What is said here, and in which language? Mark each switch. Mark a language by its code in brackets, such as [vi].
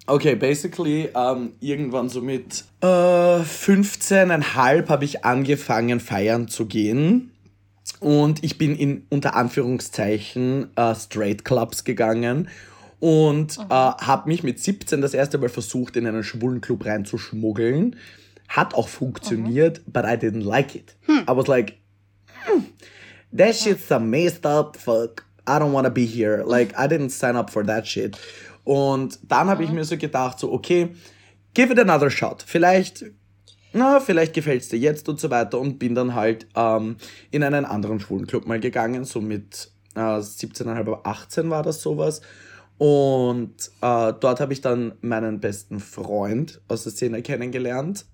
[de] Okay, basically irgendwann so mit 15,5 habe ich angefangen feiern zu gehen. Und ich bin in unter Anführungszeichen Straight Clubs gegangen und habe mich mit 17 das erste Mal versucht, in einen schwulen Club reinzuschmuggeln. Hat auch funktioniert, [en] but I didn't like it. I was like, that shit's a messed up, fuck, I don't wanna be here. Like, I didn't sign up for that shit. [de] Und dann habe ich mir so gedacht, so, okay, [en] give it another shot. [de] Vielleicht gefällt es dir jetzt und so weiter und bin dann halt in einen anderen schwulen Club mal gegangen, so mit 17,5, 18 war das sowas. Und dort habe ich dann meinen besten Freund aus der Szene kennengelernt.